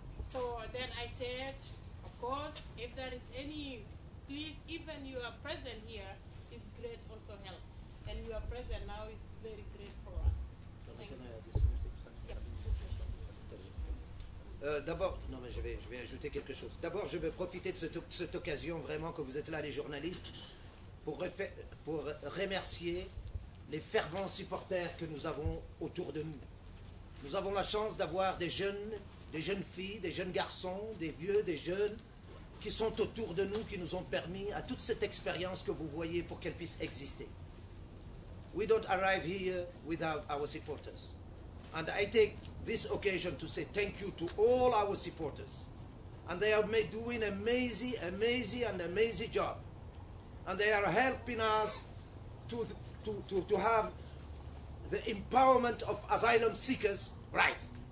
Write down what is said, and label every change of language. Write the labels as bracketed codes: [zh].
[en] So then I said, of course, if there is any, please, even you are present here, it's great also help. And you are present now is very great for us. [fr] D'abord, non mais je vais ajouter quelque chose. D'abord, je veux profiter de cette occasion vraiment que vous êtes là, les journalistes, pour remercier les fervents supporters que nous avons autour de nous. Nous avons la chance d'avoir des jeunes filles, des jeunes garçons, des vieux, des jeunes, qui sont autour de nous, qui nous ont permis à toute cette expérience que vous voyez pour qu'elle puisse exister. [en] We don't arrive here without our supporters. And I take this occasion to say thank you to all our supporters. And they are doing amazing, amazing, and amazing job. And they are helping us to have the empowerment of asylum seekers right.